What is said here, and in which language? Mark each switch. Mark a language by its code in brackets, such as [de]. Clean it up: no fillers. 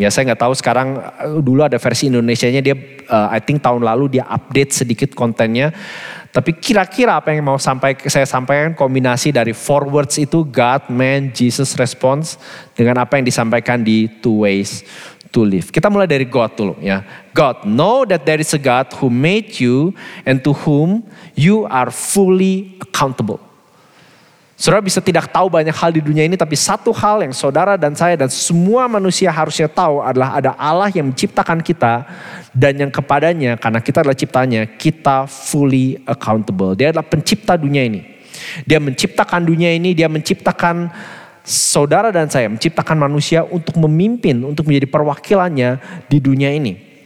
[id] Ya, saya nggak tahu sekarang, dulu ada versi Indonesianya, dia [en] I think [id] tahun lalu dia update sedikit kontennya. Tapi kira-kira apa yang mau saya sampaikan kombinasi dari 4 words itu, God, man, Jesus, response, dengan apa yang disampaikan di 2 Ways to Live. Kita mulai dari God dulu ya. [en] God, know that there is a God who made you and to whom you are fully accountable. [id] Saudara bisa tidak tahu banyak hal di dunia ini, tapi satu hal yang saudara dan saya dan semua manusia harusnya tahu adalah ada Allah yang menciptakan kita dan yang kepadanya, karena kita adalah ciptanya, kita [en] fully accountable. [id] Dia adalah pencipta dunia ini. Dia menciptakan dunia ini, dia menciptakan saudara dan saya, menciptakan manusia untuk memimpin, untuk menjadi perwakilannya di dunia ini.